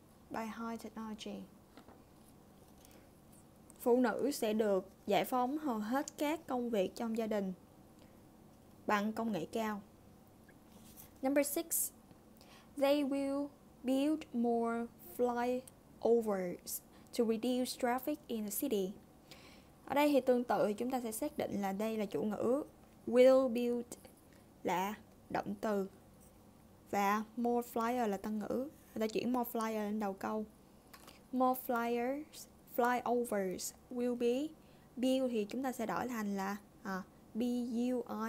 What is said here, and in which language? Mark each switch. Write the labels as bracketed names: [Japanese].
[English] By high technology. [Vietnamese] Phụ nữ sẽ được giải phóng hầu hết các công việc trong gia đình bằng công nghệ cao. [English] Number 6. They will build more flyovers to reduce traffic in the city. [Vietnamese] Ở đây thì tương tự chúng ta sẽ xác định là đây là chủ ngữ. [English] Will build [Vietnamese] là động từ và [English] more flyer [Vietnamese] là tân ngữ. Người ta chuyển more flyer lên đầu câu. [English] More flyers, flyovers will be built [Vietnamese] thì chúng ta sẽ đổi thành là built.